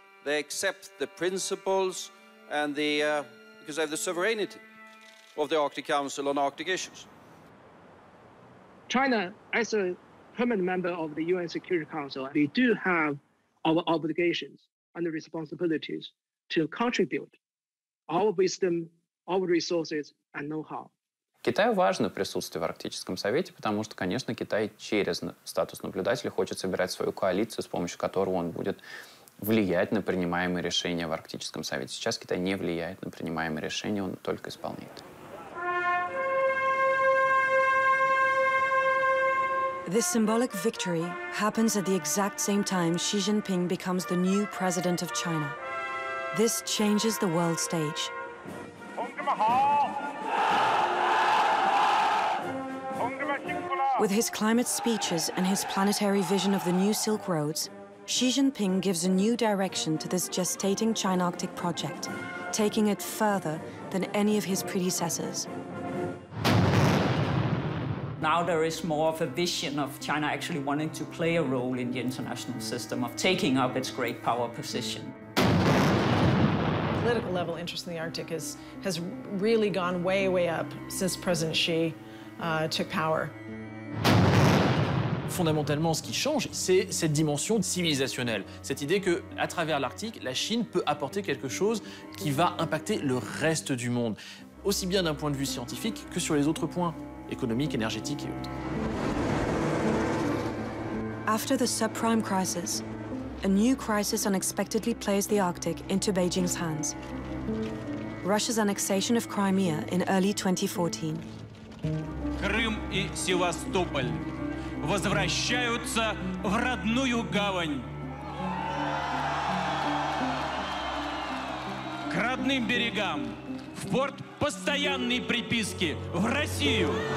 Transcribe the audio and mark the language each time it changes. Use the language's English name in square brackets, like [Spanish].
[English] They accept the principles and the, because they have the sovereignty of the Arctic Council on Arctic issues. China, as a permanent member of the UN Security Council, we do have our obligations and the responsibilities to contribute our wisdom, our resources, and know-how. [Russian] Китаю важно присутствие в Арктическом Совете, потому что, конечно, Китай через статус наблюдателя хочет собирать свою коалицию, с помощью которой он будет влиять на принимаемые решения в Арктическом Совете. Сейчас Китай не влияет на принимаемые решения, он только исполняет. [English] This symbolic victory happens at the exact same time Xi Jinping becomes the new president of China. This changes the world stage. With his climate speeches and his planetary vision of the new Silk Roads, Xi Jinping gives a new direction to this gestating China-Arctic project, taking it further than any of his predecessors. Now there is more of a vision of China actually wanting to play a role in the international system, of taking up its great power position. political level, interest in the Arctic has really gone way, way up since President Xi took power. [French] Fondamentalement, ce qui change, c'est cette dimension civilisationnelle. Cette idée que, à travers l'Arctique, la Chine peut apporter quelque chose qui va impacter le reste du monde, aussi bien d'un point de vue scientifique que sur les autres points, économiques, énergétiques et autres. [English] After the subprime crisis, a new crisis unexpectedly plays the Arctic into Beijing's hands. Russia's annexation of Crimea in early 2014. [Russian] Крым и Севастополь возвращаются в родную гавань. К родным берегам, в порт постоянной приписки, в Россию.